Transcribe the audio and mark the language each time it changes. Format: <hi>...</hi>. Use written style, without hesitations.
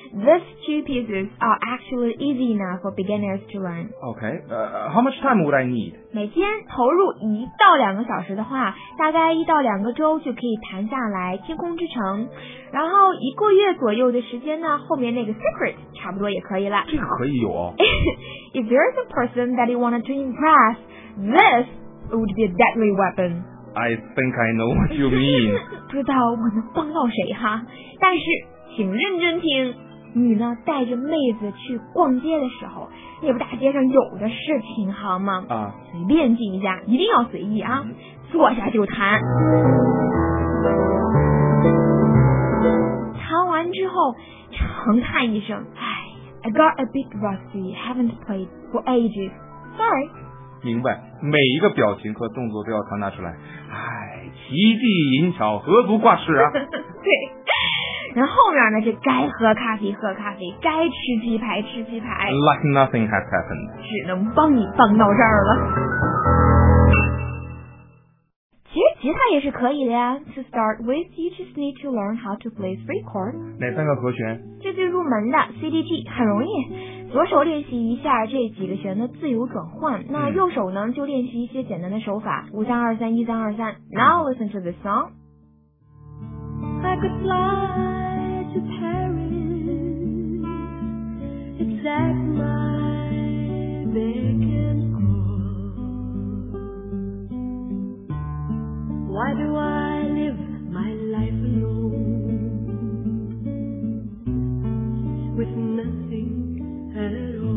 <en>These two pieces are actually easy enough for beginners to learn. Okay. How much time would I need?</en> <zh>每天投入一到两个小时的话，大概一到两个周就可以弹下来《天空之城》，然后一个月左右的时间呢，后面那个 Secret 差不多也可以了。这个可以有哦。</zh> <en>If there's a person that you wanted to impress, this would be a deadly weapon. I think I know what you mean.</en> <zh>不知道我能帮到谁哈，但是请认真听。你呢，带着妹子去逛街的时候，那不大街上有的是琴行吗？啊，随便进一下，一定要随意啊，坐下就弹。弹完之后，长叹一声，哎</zh> <en>，I got a bit rusty, haven't played for ages. Sorry.</en> <zh>明白每一个表情和动作都要传达出来。哎，奇迹银巧何足挂齿啊。对，然后面呢是该喝咖啡喝咖啡，该吃鸡排吃鸡排，</zh> <en>like nothing has happened，</en> <zh>只能帮你帮到这儿了。其实吉他也是可以的呀。</zh> <en>To start with you just need to learn how to play three chords。</en> <zh>哪三个和弦？这最入门的 CDG 很容易，左手练习一下这几个弦的自由转换，那右手呢就练习一些简单的手法，5-3-2-3-1-3-2-3。</zh> <en>Now listen to this song。 I could fly to Paris, it's at my beck and call. Why do I live my life alone with nothing?</en>